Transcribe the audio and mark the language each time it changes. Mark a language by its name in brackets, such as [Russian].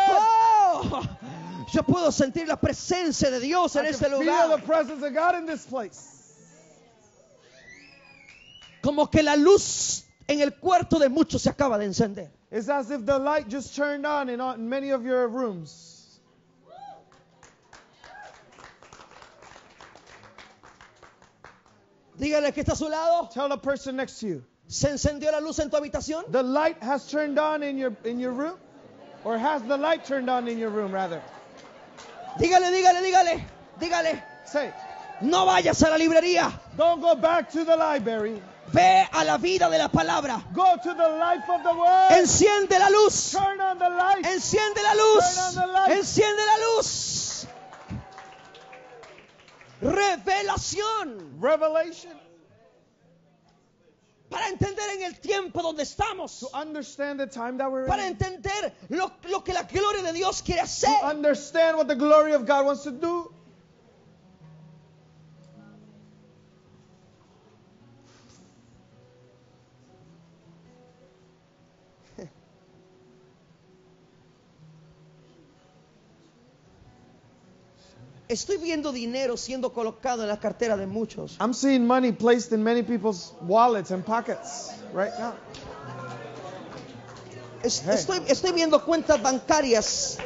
[Spanish] Oh, yo puedo sentir la presencia de Dios en este lugar. [English] I can feel the presence of God in this place. [Spanish] Como que la luz en el cuarto de muchos se acaba de encender. [English] It's as if the light just turned on in many of your rooms. [Spanish] Dígale que está a su lado. [English] Tell the person next to you. [Spanish] ¿Se encendió la luz en tu habitación? [English] The light has turned on in your room? Or has the light turned on in your room rather? [Spanish] Dígale, dígale, dígale. Dígale. [English] Say. [Spanish] No vayas a la librería. [English] Don't go back to the library. [Spanish] Ve a la vida de la palabra. [English] Go to the life of the word. [Spanish] Enciende la luz. [English] Turn on the light. [Spanish] Enciende la luz. [English] Turn on the light. [Spanish] Enciende la luz. Revelación. [English] Revelation. [Spanish] Para entender en el tiempo donde estamos. [English] To understand the time that we're in. [Spanish] Para entender lo que la gloria de Dios quiere hacer. [English] To understand what the glory of God wants to do. [Spanish] Estoy viendo dinero siendo colocado en la cartera de muchos. [English] I'm seeing money placed in many people's wallets and pockets right now. [Spanish] Estoy viendo cuentas bancarias.